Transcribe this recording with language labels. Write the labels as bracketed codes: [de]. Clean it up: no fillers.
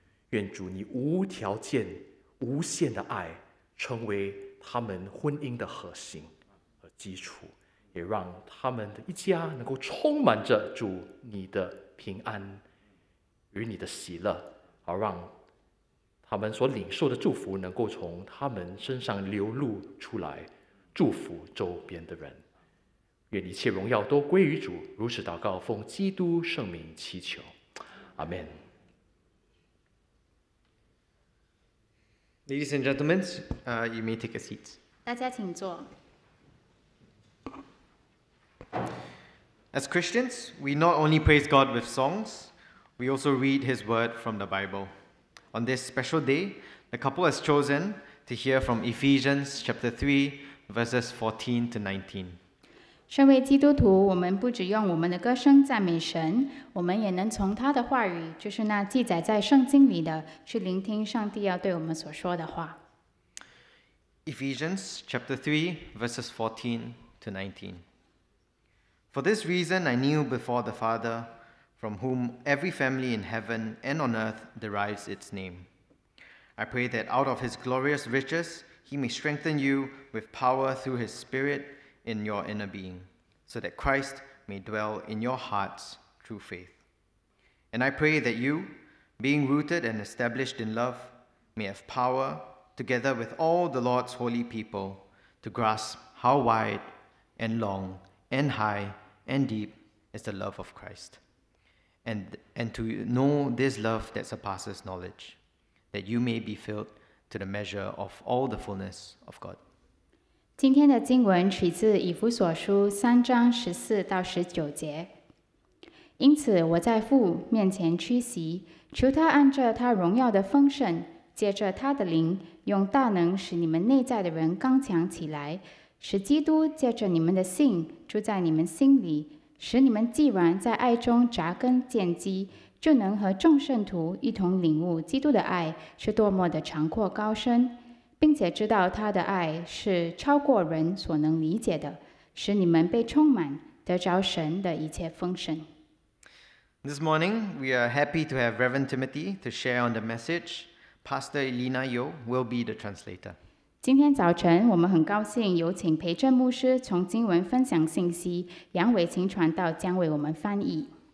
[zh] 愿主你无条件无限的爱成为他们婚姻的核心和基础，也让他们的一家能够充满着主你的平安与你的喜乐，好让他们所领受的祝福能够从他们身上流露出来，祝福周边的人。愿一切荣耀都归于主，如此祷告奉基督圣名祈求，阿们。 [en] Ladies and gentlemen, you may take a seat. [zh] 大家请坐。 [en] As Christians, we not only praise God with songs, we also read His word from the Bible. On this special day, the couple has chosen to hear from Ephesians chapter 3, verses 14 to 19. [zh] 身为基督徒，我们不只用我们的歌声赞美神，我们也能从他的话语，就是那记载在圣经里的，去聆听上帝要对我们所说的话。 [en] Ephesians chapter 3, verses 14 to 19. For this reason I kneel before the Father, from whom every family in heaven and on earth derives its name. I pray that out of his glorious riches he may strengthen you with power through his Spirit in your inner being, so that Christ may dwell in your hearts through faith. And I pray that you, being rooted and established in love, may have power, together with all the Lord's holy people, to grasp how wide and long and high and deep is the love of Christ, and to know this love that surpasses knowledge, that you may be filled to the measure of all the fullness of God. [zh] 今天的经文取自以弗所书三章十四到十九节。因此我在父面前屈膝，求他按着他荣耀的丰盛借着他的灵，用大能使你们内在的人刚强起来，使基督借着你们的信住在你们心里，使你们既然在爱中扎根建基，就能和众圣徒一同领悟基督的爱是多么的长阔高深，并且知道他的爱是超过人所能理解的，使你们被充满，得着神的一切丰盛。 [en] This morning, we are happy to have Reverend Timothy to share on the message. Pastor Elena Yeo will be the translator. [zh] 今天早晨，我们很高兴有请培正牧师从经文分享信息，杨伟琴传道将为我们翻译。